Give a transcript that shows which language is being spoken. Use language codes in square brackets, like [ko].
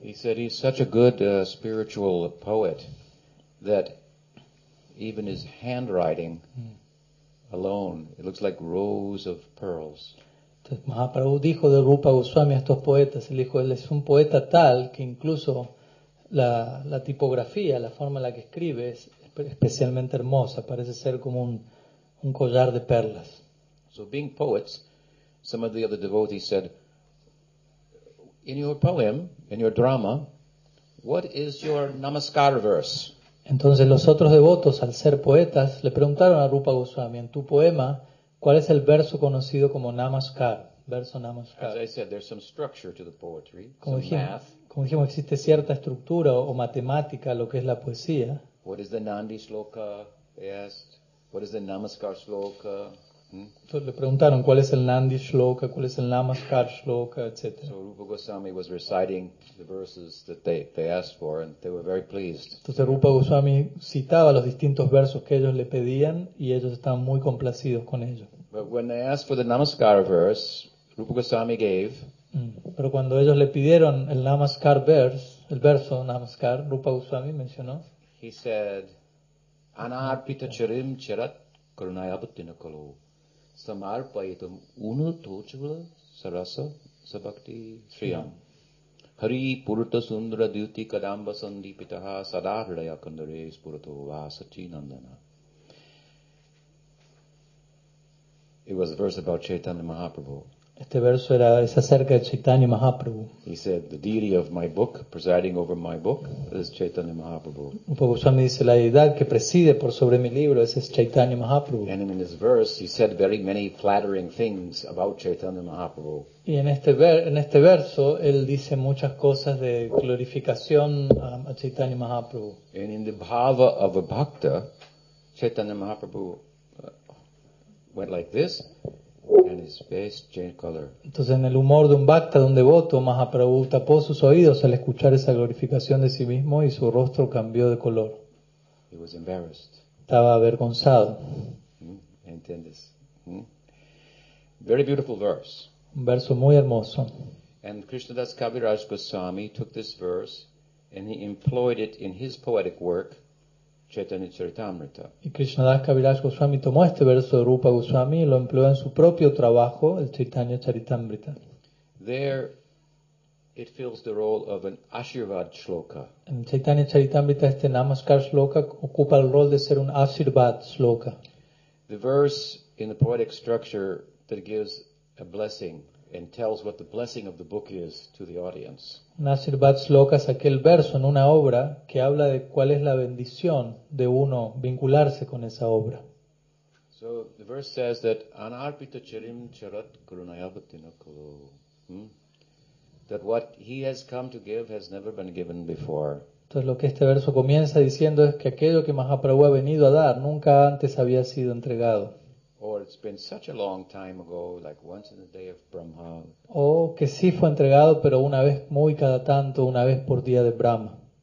[en] He said he's such a good spiritual poet that even his handwriting alone, it looks like rows of pearls. [es] Entonces Mahaprabhu dijo de Rupa Goswami a estos poetas, él dijo, él es un poeta tal que incluso la tipografía, la forma en la que escribe es especialmente hermosa, parece ser como un collar de perlas. [en] So being poets, some of the other devotees said, in your poem, in your drama, what is your namaskar verse? [es] Entonces los otros devotos, al ser poetas, le preguntaron a Rupa Goswami, en tu poema, ¿cuál es el verso conocido como namaskar? Verso namaskar. [en] As I said, there's some structure to the poetry, [es] como dijimos, existe cierta estructura o matemática a lo que es la poesía. [en] What is the Nandi Shloka? They asked. What is the Namaskar Shloka? [es] Entonces le preguntaron, ¿cuál es el Nandi Shloka? ¿Cuál es el Namaskar Shloka? Etc. [en] So Rupa Goswami was reciting the verses that they asked for, and they were very pleased. [es] Entonces Rupa Goswami citaba los distintos versos que ellos le pedían, y ellos estaban muy complacidos con ello. [en] But when they asked for the Namaskar verse, Rupa Goswami gave. [es] Pero cuando ellos le pidieron el [en] Namaskar verse, [es] el verso Namaskar, Rupa Goswami mencionó. [en] He said, [sa] "Anarpita charim charat karunayabhutina kalu samarpayitam unu tochula sarasa sabhakti sriyam. Hari purta sundra dhyuti kadamba sandipitaha sadahraya kandare spurato vasati nandana." [en] It was a verse about Chaitanya Mahaprabhu. [es] Este verso era, es acerca de Chaitanya Mahaprabhu. [en] He said, the deity of my book, presiding over my book, is Chaitanya Mahaprabhu. [es] Rupa Goswami dice, la deidad que preside por sobre mi libro, ese es Chaitanya Mahaprabhu. [en] And in his verse, he said very many flattering things about Chaitanya Mahaprabhu. [es] Y en este verso, él dice muchas cosas de glorificación a Chaitanya Mahaprabhu. [en] And in the bhava of a bhakta, Chaitanya Mahaprabhu went like this. And his face changed color. [es] Entonces, en el humor de un bhakta, de un devoto, Mahaprabhu tapó sus oídos al escuchar esa glorificación de sí mismo y su rostro cambió de color. [en] He was embarrassed. [es] Estaba avergonzado. ¿Entiendes? [en] Very beautiful verse. [es] Un verso muy hermoso. [en] And Krishnadas Kaviraj Goswami took this verse and he employed it in his poetic work. Chaitanya Charitamrita. [es] Y Krishnadas Kaviraj Goswami tomó este verso de Rupa Goswami y lo empleó en su propio trabajo, el Chaitanya Charitamrita. [en] There, it fills the role of an Ashirvad Shloka. [es] En el Chaitanya Charitamrita, este Namaskar Shloka ocupa el rol de ser un Ashirvad Shloka. [en] The verse in the poetic structure that gives a blessing and tells what the blessing of the book is to the audience. [es] Nasirvat Sloka es aquel verso en una obra que habla de cuál es la bendición de uno vincularse con esa obra. [en] So the verse says that [sa] anarpita charim charat karunayabhutina kalu, [en] that what he has come to give has never been given before. [es] Entonces lo que este verso comienza diciendo es que aquello que Mahaprabhu ha venido a dar nunca antes había sido entregado. [en] Or it's been such a long time ago, like once in the day of Brahma. [es] Oh, que sí fue entregado, pero una vez muy cada tanto, una vez por día de Brahma.